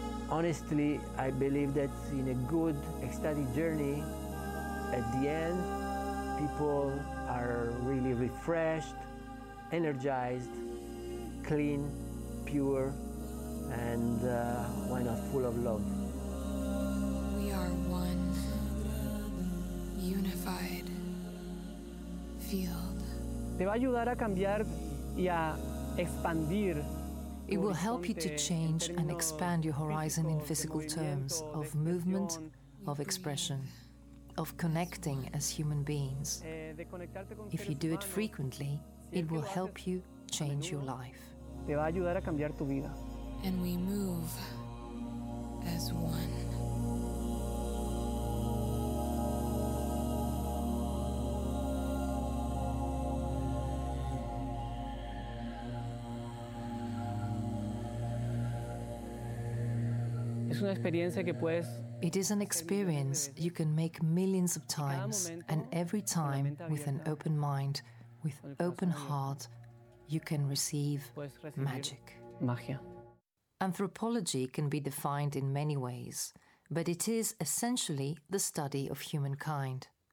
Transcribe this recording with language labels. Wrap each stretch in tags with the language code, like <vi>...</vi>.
<en>Honestly, I believe that in a good ecstatic journey, at the end, people are really refreshed, energized, clean, pure, and why not full of love. We are one unified field.</en> <es>Te va a ayudar a cambiar y a expandir.</es> <en>It will help you to change and expand your horizon in physical terms of movement, of expression, of connecting as human beings. If you do it frequently, it will help you change your life.</en> <es>Te va a ayudar a cambiar tu vida.</es> <en>And we move as one.</en> <es>Es una experiencia que puedes.</es> <en>It is an experience you can make millions of times, and every time with an open mind, with open heart, you can receive magic.</en> <es>Magia.</es> <en>Anthropology can be defined in many ways, but it is essentially the study of humankind.</en>